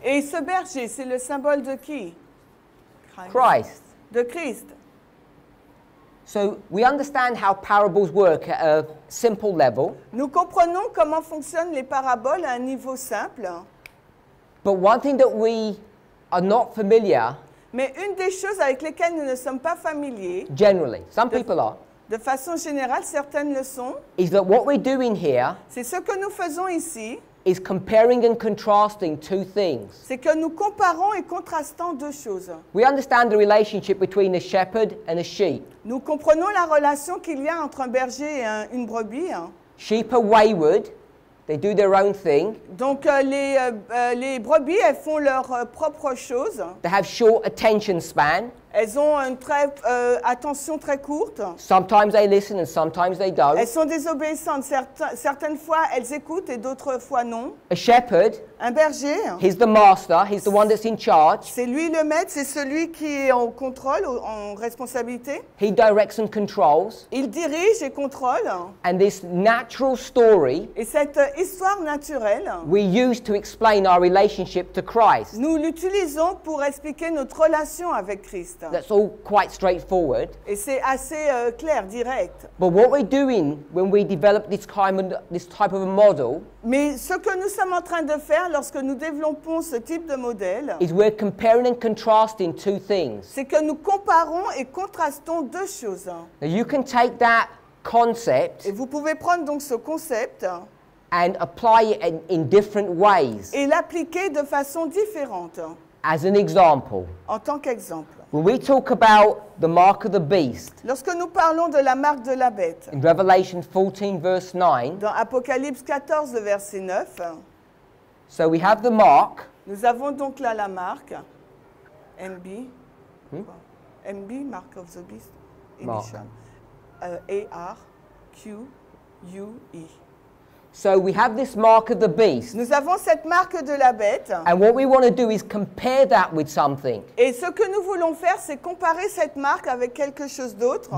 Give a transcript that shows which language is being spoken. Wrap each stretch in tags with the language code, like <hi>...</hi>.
<fr>Et ce berger, c'est le symbole de qui?</fr> <en>Christ.</en> <fr>De Christ.</fr> <en>So we understand how parables work at a simple level.</en> <fr>Nous comprenons comment fonctionnent les paraboles à un niveau simple.</fr> <en>But one thing that we are not familiar.</en> <fr>Mais une des choses avec lesquelles nous ne sommes pas familiers.</fr> <en>Generally, some people are.</en> <fr>De façon générale, certaines le sont.</fr> <en>Is that what we're doing here?</en> <fr>C'est ce que nous faisons ici.</fr> <en>Is comparing and contrasting two things.</en> <fr>C'est que nous comparons et contrastons deux choses.</fr> <en>We understand the relationship between a shepherd and a sheep.</en> <fr>Nous comprenons la relation qu'il y a entre un berger et une brebis.</fr> <en>Sheep are wayward. They do their own thing.</en> <fr>Donc les brebis, elles font leur propre chose.</fr> <en>They have short attention span.</en> <fr>Elles ont une très attention très courte.</fr> <en>Sometimes they listen and sometimes they don't.</en> <fr>Elles sont désobéissantes. Certaines fois, elles écoutent et d'autres fois non.</fr> <en>A shepherd.</en> <fr>Un berger.</fr> <en>He's the master. He's the one that's in charge.</en> <fr>C'est lui le maître. C'est celui qui est en contrôle, en responsabilité.</fr> <en>He directs and controls.</en> <fr>Il dirige et contrôle.</fr> <en>And this natural story.</en> <fr>Et cette histoire naturelle.</fr> <en>We use to explain our relationship to Christ.</en> <fr>Nous l'utilisons pour expliquer notre relation avec Christ.</fr> <en>That's all quite straightforward.</en> <fr>Et c'est assez clair, direct.</fr> <en>But what we're doing when we develop this type of a model.</en> <fr>Mais ce que nous sommes en train de faire lorsque nous développons ce type de modèle.</fr> <en>Is we're comparing and contrasting two things.</en> <fr>C'est que nous comparons et contrastons deux choses.</fr> <en>Now you can take that concept.</en> <fr>Et vous pouvez prendre donc ce concept.</fr> <en>And apply it in different ways.</en> <fr>Et l'appliquer de façon différente.</fr> <en>As an example.</en> <fr>En tant qu'exemple.</fr> <en>When we talk about the mark of the beast.</en> <fr>Lorsque nous parlons de la marque de la bête.</fr> <en>In Revelation 14 verse 9.</en> <fr>Dans Apocalypse 14 verset 9.</fr> <en>So we have the mark.</en> <fr>Nous avons donc là la marque. MB. Hmm?</fr> <en>MB, Mark of the Beast. Edition. ARQUE. So we have this mark of the beast.</en> <fr>Nous avons cette marque de la bête.</fr> <en>And what we want to do is compare that with something.</en> <fr>Et ce que nous voulons faire, c'est comparer cette marque avec quelque chose d'autre.</fr>